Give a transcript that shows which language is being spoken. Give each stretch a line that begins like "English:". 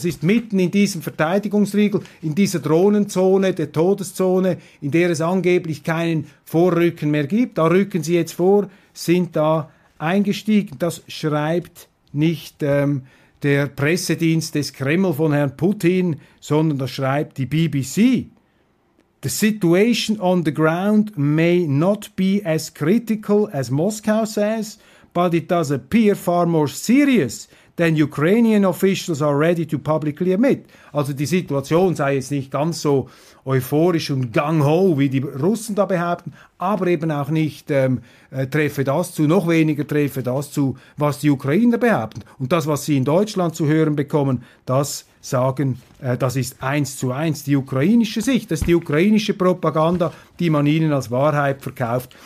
German: Das ist mitten in diesem Verteidigungsriegel, in dieser Drohnenzone, der Todeszone, in der es angeblich keinen Vorrücken mehr gibt. Da rücken sie jetzt vor, sind da eingestiegen. Das schreibt nicht der Pressedienst des Kreml von Herrn Putin, sondern das schreibt die BBC.
English: The situation on the ground may not be as critical as Moscow says, but it does appear far more serious than Ukrainian officials are ready to publicly admit.
German: Also die Situation sei jetzt nicht ganz so euphorisch und gung-ho, wie die Russen da behaupten, aber eben auch nicht treffe das zu, noch weniger treffe das zu, was die Ukrainer behaupten. Und das, was sie in Deutschland zu hören bekommen, das sagen, das ist 1:1 die ukrainische Sicht, das ist die ukrainische Propaganda, die man ihnen als Wahrheit verkauft.